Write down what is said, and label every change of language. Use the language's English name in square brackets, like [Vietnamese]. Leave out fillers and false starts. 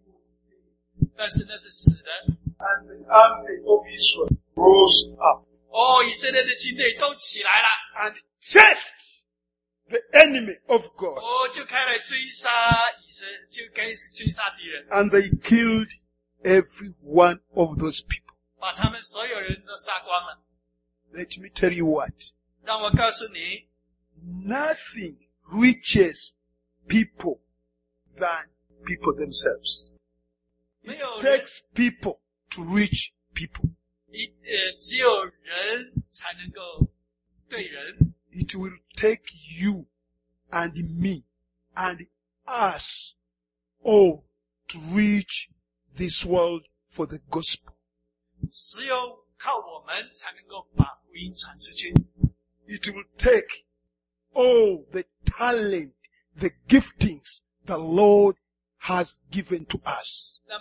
[Chinese] 他一定是有人很兴奋，但是那是死的。 [English] And the army of Israel rose up. [Chinese] 哦，以色列的军队都起来了。 [English] And chased the enemy of God. [Chinese] 哦，就开始追杀以色列，就开始追杀敌人。 [English] And they killed every one of those people. [Chinese] 把他们所有人都杀光了。 [English] Let me tell you what. [Chinese] 让我告诉你, [English] nothing reaches people than people themselves. [Chinese] 没有人, [English] it takes people to reach people. [Chinese] 只有人才能够对人。 [English] It will take you and me and us all to reach this world for the gospel. [Chinese] 只有靠我们才能够把福音传出去。 [English] It will take all the talent, the giftings the Lord has given to us.